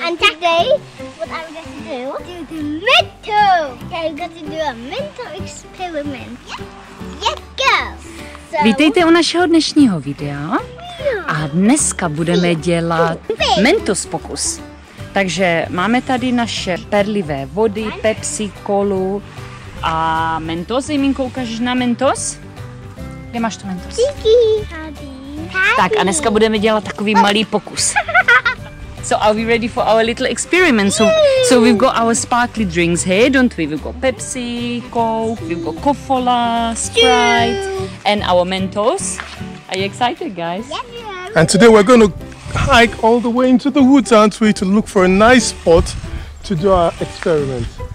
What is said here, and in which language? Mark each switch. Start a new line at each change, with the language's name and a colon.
English: And today, what are we going to do? Do the Mentos! Yeah, we're going to do a mental experiment. Yeah, girls!
Czech: Vítejte u našeho dnešního videa a dneska budeme dělat Mentos pokus. Takže máme tady naše perlivé vody, Pepsi, kolu a Mentos. Aimeeko, ukážeš na Mentos? Kde máš to Mentos? Díky. Tak a dneska budeme dělat takový malý pokus.
English: So are we ready for our little experiment? So we've got our sparkly drinks here, don't we? We've got Pepsi, Coke, we've got Coca-Cola, Sprite, and our Mentos. Are you excited, guys? And today we're going to hike all the way into the woods, aren't we, to look for a nice spot to do our experiment.